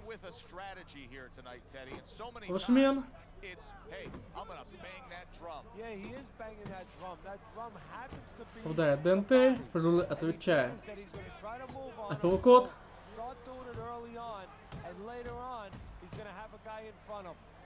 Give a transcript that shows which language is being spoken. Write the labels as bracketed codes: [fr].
[en] Strategy here tonight, Teddy, and so many times, hey, I'm gonna bang that drum. Yeah, he is banging that drum. That drum happens to be... [ru] Попадает Дэнте, Фрула отвечает. Апперкот. [en] Start doing it early on, and later on, he's gonna have a guy in front of him.